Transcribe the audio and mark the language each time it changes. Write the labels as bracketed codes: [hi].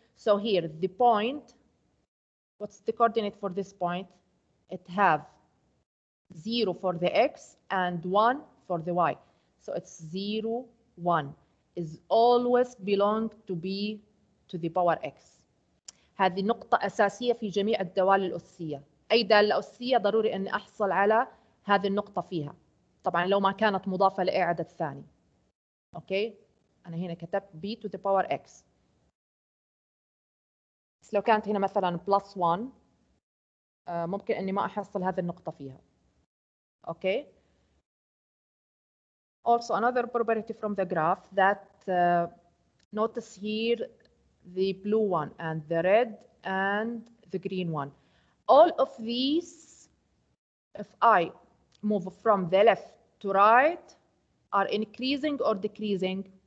[en] So here the point. What's the coordinate for this point? It have 0 for the x and 1 for the y. So it's 0, 1. Is always belong to b to the power x. [ar] هذه نقطة أساسية في جميع الدوال الأسية. أي دالة أسية ضروري أن أحصل على هذه النقطة فيها. طبعاً لو ما كانت مضافة لإعادة ثاني. أوكي؟ أنا هنا كتبت [en] b to the power x. [ar] لو كانت هنا مثلا بلس 1 ممكن اني ما احصل هذه النقطه فيها. اوكي. [en] Also another property from the graph that notice here the blue one and the red and the green one. All of these, if I move from the left to right, are increasing or decreasing?